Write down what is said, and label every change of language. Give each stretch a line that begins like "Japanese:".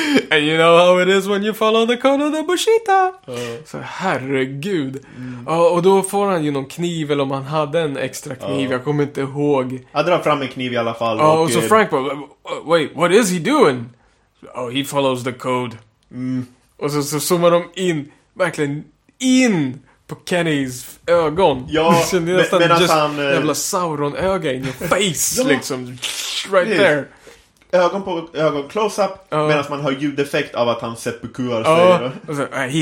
English: And you know how it is when you follow the code of the Bushido.
Swedish: Så herregud. Och då får han ju någon kniv, eller om han hade en extra kniv, jag kommer inte ihåg. Han drar fram en kniv i alla fall. Och så Frank bara,
English: wait, what is he doing? Oh, he follows the code.
Swedish: Och så zoomar de in, verkligen in på Kennys ögon. Ja, medan han jävla Sauron-öga
English: in your face.
Swedish: Ja. Liksom,
English: right yes. There.
Swedish: Ögon på ögon, close-up, medan man hör ljudeffekt av att han seppukuar sig.